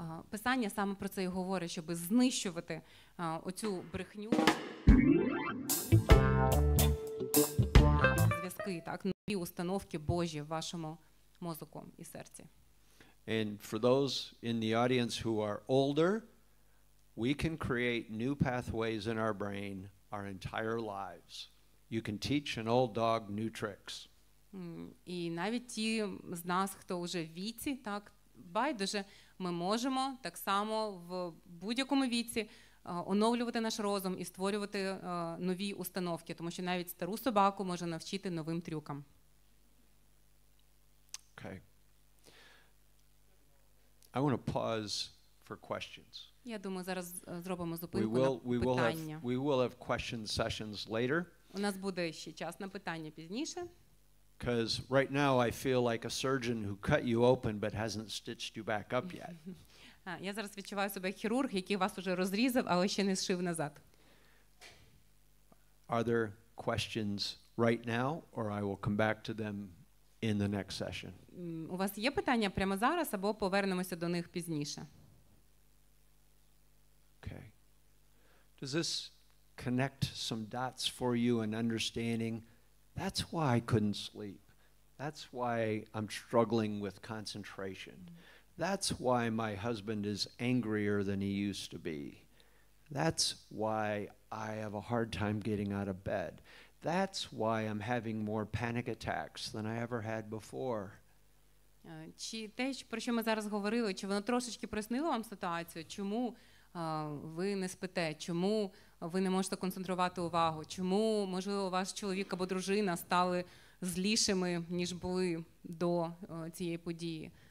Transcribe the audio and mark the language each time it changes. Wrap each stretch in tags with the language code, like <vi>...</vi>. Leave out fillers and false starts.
<uk>Писання саме про це і говорить, щоб знищувати оцю брехню. Зв'язки, так, нові установки Божі в вашому мозку і серці.</uk> <en>And for those in the audience who are older, we can create new pathways in our brain our entire lives. You can teach an old dog new tricks.</en> <uk>І навіть ті з нас, хто вже в віці, так, байдуже, ми можемо так само в будь-якому віці оновлювати наш розум і створювати нові установки, тому що навіть стару собаку може навчити новим трюкам.</uk> <en>Okay. I want to pause for questions.</en> <uk>Я думаю, зараз зробимо зупинку на питання.</uk> <en>We will have question sessions later.</en> <uk>У нас буде ще час на питання пізніше.</uk> <en>Because right now I feel like a surgeon who cut you open but hasn't stitched you back up yet.</en> <uk>Я зараз відчуваю себе хірург, який вас уже розрізав, але ще не зшив назад.</uk> <en>Are there questions right now, or I will come back to them in the next session?</en> <uk>У вас є питання прямо зараз, або повернемося до них пізніше?</uk> <en>Okay. Does this connect some dots for you in understanding? That's why I couldn't sleep. That's why I'm struggling with concentration. That's why my husband is angrier than he used to be. That's why I have a hard time getting out of bed. That's why I'm having more panic attacks than I ever had before.</en> <uk>Чи те, про що ми зараз говорили, чи воно трошечки прояснило вам ситуацію? Чому ви не спите? Чому ви не можете концентрувати увагу? Чому, можливо, ваш чоловік або дружина стали злішими, ніж були до цієї події?</uk>